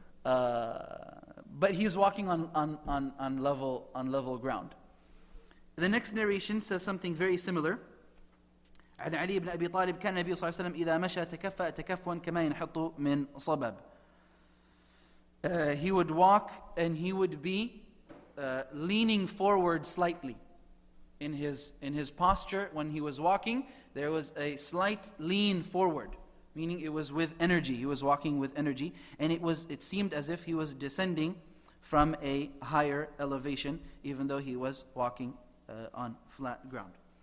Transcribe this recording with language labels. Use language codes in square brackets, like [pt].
[en] But he is walking on level ground. The next narration says something very similar. [ar] عن علي بن أبي طالب كان النبي صلى الله عليه وسلم إذا مشى تكفأ تكفوا كما ينحط من صبب. [en] He would walk and he would be leaning forward slightly. In his posture, when he was walking, there was a slight lean forward, meaning it was with energy. He was walking with energy, and it seemed as if he was descending from a higher elevation, even though he was walking on flat ground.